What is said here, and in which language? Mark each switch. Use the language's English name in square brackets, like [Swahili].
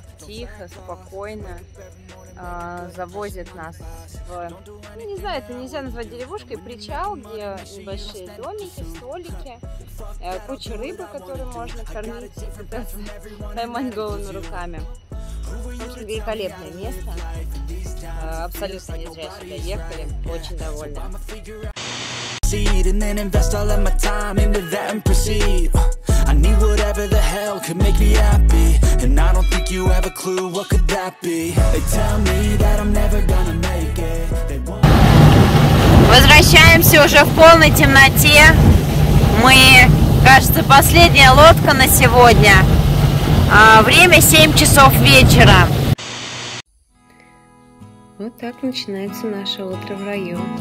[Russian] Тихо, спокойно, завозят нас в, ну, не знаю, это нельзя назвать деревушкой, причал, где небольшие домики, столики, куча рыбы, которую можно кормить, поймать голыми руками. Очень великолепное место, абсолютно не зря сюда ехали, очень довольны. [English] And then invest all of my time into that and proceed. I need whatever the hell could make me happy. And I don't think you have a clue what could that be. They tell me that I'm never gonna make it. They won't... [Russian] Возвращаемся уже в полной темноте. Мы, кажется, последняя лодка на сегодня. Время 7 часов вечера. Вот так начинается наше утро в раю.